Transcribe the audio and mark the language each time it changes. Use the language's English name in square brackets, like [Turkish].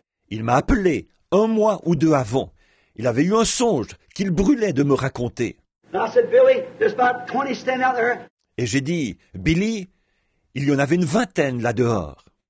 [French] Il m'a appelé un mois ou deux avant. Il avait eu un songe qu'il brûlait de me raconter. [English] Said, Billy, there's about 20 standing out there. [French] Et j'ai dit, Billy, il y en avait une vingtaine là-dehors.